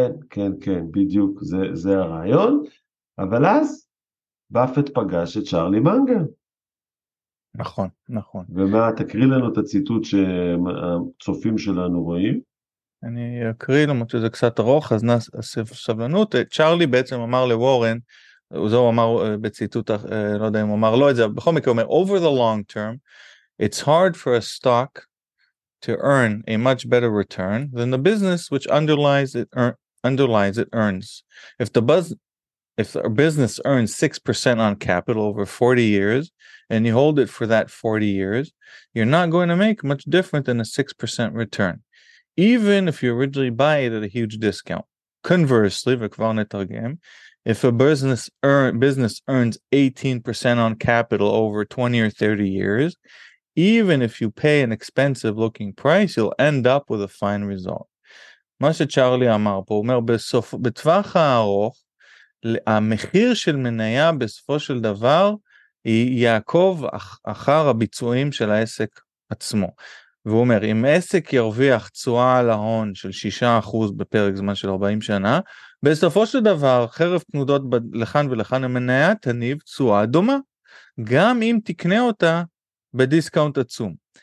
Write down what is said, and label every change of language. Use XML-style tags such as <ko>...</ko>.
<he>כן, בדיוק, זה הרעיון, אבל אז באפט פגש את צ'רלי מנגר. נכון. ומה, תקריא לנו את הציטוט שהצופים שלנו רואים? אני אקריא, למרות שזה קצת ארוך, אז נעשה סבלנות.</he> <en>צ'רלי בעצם אמר לוורן, זהו אמר בציטוט, לא יודע אם הוא אמר לא את זה, אבל בכל מקרה הוא אומר, over the long term, it's hard for a stock to earn a much better return than the business which underlies it earns. If a business earns 6% on capital over 40 years and you hold it for that 40 years, you're not going to make much different than a 6% return, even if you originally buy it at a huge discount. Conversely, וכבר נתרגם, if a business earns 18% on capital over 20 or 30 years, even if you pay an expensive looking price, you'll end up with a fine result.</en> <he>מה שצ'רלי אמר פה, הוא אומר, בטווח הארוך, המחיר של מניה בסופו של דבר, יעקב אחר הביצועים של העסק עצמו. והוא אומר, אם עסק ירוויח תשואה על ההון של 6% בפרק זמן של 40 שנה, בסופו של דבר חרף תנודות לכאן ולכאן המניה תניב תשואה דומה, גם אם תקנה אותה בדיסקאונט עצום.</he>